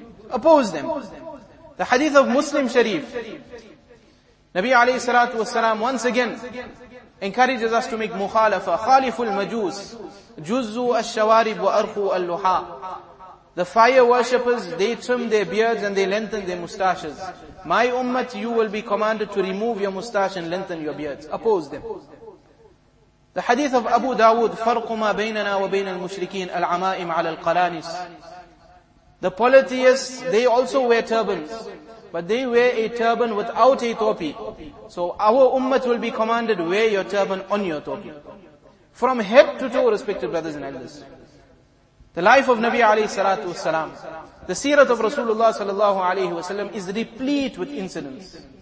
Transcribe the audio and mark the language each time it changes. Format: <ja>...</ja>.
<en>Oppose them. The hadith of Muslim Sharif. Nabi alayhi salatu wasalam once again encourages us to make mukhalafa.</en> <ar>Khaliful Majus. Juzu al-shawarib wa arfu al-luha.</ar> <en>The fire worshippers, they trim their beards and they lengthen their mustaches. My ummah, you will be commanded to remove your mustache and lengthen your beards. Oppose them. The hadith of Abu Dawood,</en> <ar>فَرْقُ مَا بَيْنَنَا وَبَيْنَ الْمُشْرِكِينَ الْعَمَائِمْ عَلَى الْقَلَانِسِ.</ar> <en>The polytheists, they also wear turbans. But they wear a turban without a topi. So our ummah will be commanded, wear your turban on your topi. From head to toe, respected brothers and elders. The life of Nabi alayhi salatu wasalam, the seerat of Rasulullah sallallahu alayhi wasallam is replete with incidents.</en>